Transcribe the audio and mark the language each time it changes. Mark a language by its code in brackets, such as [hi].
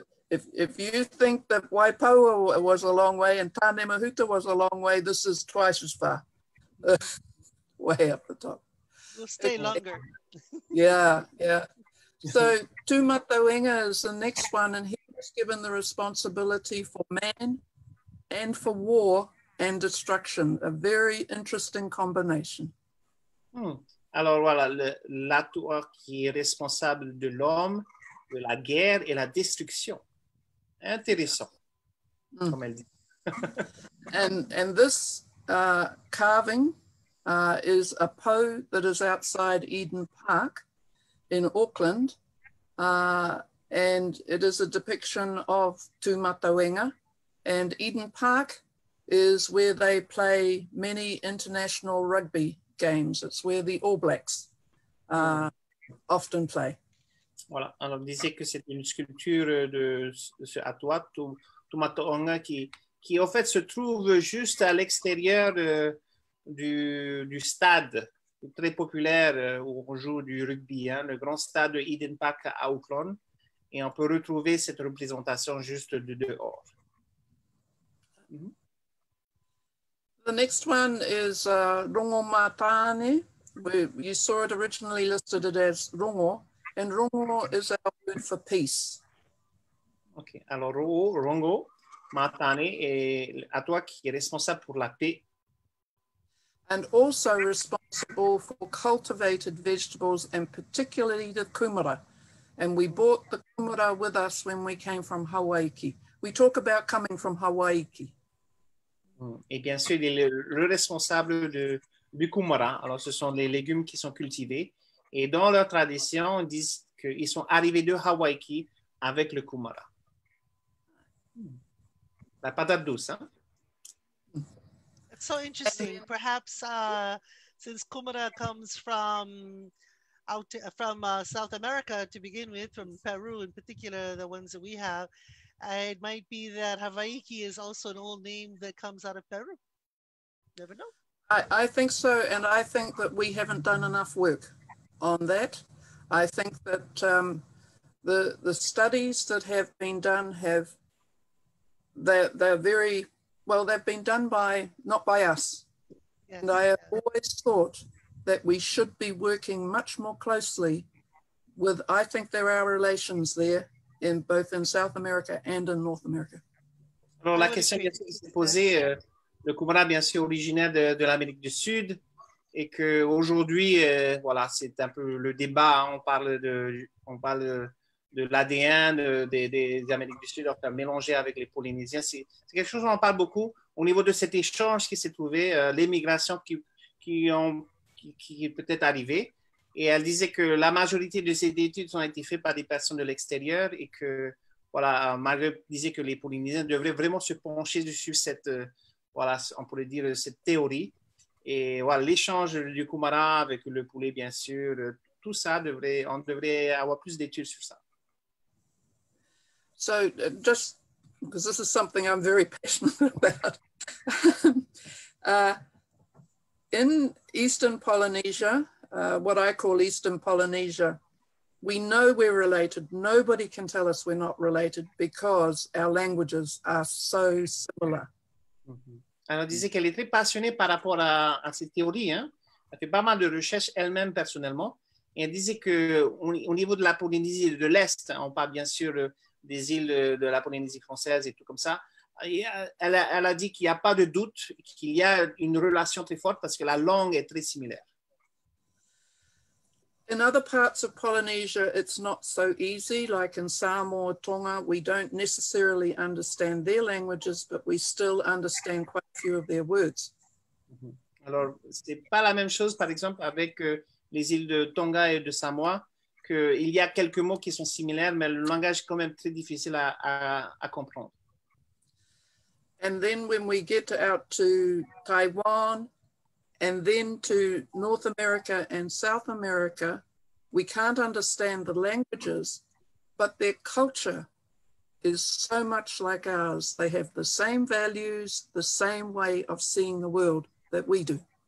[en] If you think that Waipo was a long way and Tane Mahuta was a long way, this is twice as far, way up the top. We'll stay longer. Yeah. So Tūmatauenga is the next one, and he was given the responsibility for man and for war and destruction, a very interesting combination. [fr] Alors voilà, l'atua qui est responsable de l'homme, de la guerre et la destruction. Intéressant, comme elle dit. [en] and this carving is a po that is outside Eden Park in Auckland, and it is a depiction of Tūmatauenga, and Eden Park is where they play many international rugby games. It's where the All Blacks often play. [fr] Voilà, on disait que c'est une sculpture de ce atua, Tūmatauenga, qui en fait se trouve juste à l'extérieur du stade très populaire où on joue du rugby, hein, le grand stade de Eden Park à Auckland. Et on peut retrouver cette représentation juste de dehors. [en] The next one is Rongo Matane. You saw it originally listed it as Rongo. And Rongo is our word for peace. [fr] Ok, alors Rongo Matane est à toi qui est responsable pour la paix. [en] And also responsible for cultivated vegetables and particularly the kumara. And we brought the kumara with us when we came from Hawaiki. We talk about coming from Hawaiki. [fr] Et bien sûr, il est le responsable du kumara. Alors, ce sont les légumes qui sont cultivés. Et dans leur tradition, ils disent qu'ils sont arrivés de Hawaiki avec le kumara. La patate douce, hein? [en] So interesting. Perhaps since kumara comes from South America to begin with, from Peru in particular, the ones that we have, it might be that Hawaiki is also an old name that comes out of Peru. Never know. I think so, and I think that we haven't done enough work on that. I think that the studies that have been done they're very... Well, they've been done not by us. Yes. And I have always thought that we should be working much more closely with, I think there are relations there in both in South America and in North America. [fr] Alors, la question qui s'est posée, le kumara, bien sûr, originaire de l'Amérique du Sud, et qu'aujourd'hui, voilà, c'est un peu le débat, hein, on parle de l'ADN des Amériques du Sud, enfin mélangé avec les Polynésiens. C'est quelque chose dont on parle beaucoup au niveau de cet échange qui s'est trouvé, l'émigration qui est peut-être arrivée. Et elle disait que la majorité de ces études ont été faites par des personnes de l'extérieur et que, voilà, Margaret disait que les Polynésiens devraient vraiment se pencher sur cette, voilà, on pourrait dire, cette théorie. Et voilà, l'échange du kumara avec le poulet, bien sûr, tout ça, on devrait avoir plus d'études sur ça. [en] So just because this is something I'm very passionate about. in Eastern Polynesia, what I call Eastern Polynesia, we know we're related. Nobody can tell us we're not related because our languages are so similar. Mm-hmm. [fr] Alors, disait qu'elle est très passionnée par rapport à cette théorie. Hein? Elle fait pas mal de recherches elle-même personnellement. Et elle disait qu'au niveau de la Polynésie de l'Est, on parle bien sûr des îles de la Polynésie française et tout comme ça. Elle a dit qu'il n'y a pas de doute qu'il y a une relation très forte parce que la langue est très similaire. [en] In other parts of Polynesia, it's not so easy. Like in Samoa, Tonga, we don't necessarily understand their languages, but we still understand quite a few of their words. [fr] Alors, ce n'est pas la même chose, par exemple, avec les îles de Tonga et de Samoa, qu'il y a quelques mots qui sont similaires, mais le langage est quand même très difficile à comprendre. [en] And then when we get out to Taiwan and then to North America and South America, we can't understand the languages, but their culture is so much like ours. They have the same values, the same way of seeing the world that we do.